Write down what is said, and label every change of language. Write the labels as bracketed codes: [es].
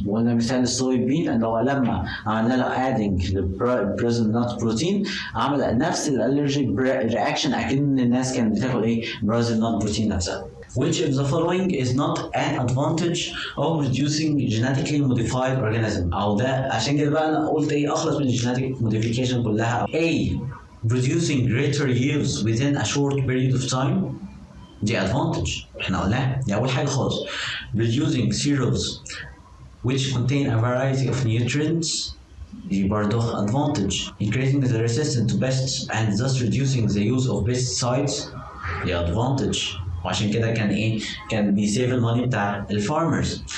[ar] وقلنا مثال الصوي بين ان هو لما عملنا له ادينج للبريزن نوت بروتين عمل نفس الالرجيك رياكشن اكن الناس كانت بتاكل ايه؟ بريزن نوت بروتين نفسها. [en] Which of the following is not an advantage of reducing genetically modified organism؟ [ar] او ده عشان كده بقى انا قلت ايه اخلص من الجينيتيك موديفيكيشن كلها. [en] A reducing greater yields within a short period of time، the advantage [ar] احنا قلناها دي اول حاجه خالص. [en] reducing cereals which contain a variety of nutrients، [ar] دي برضه [en] advantage. increasing the resistance to pests and thus reducing the use of pesticides، the advantage. [ar] وعشان كده كان ايه؟ كان بيسيف الماني بتاع الفارمرز.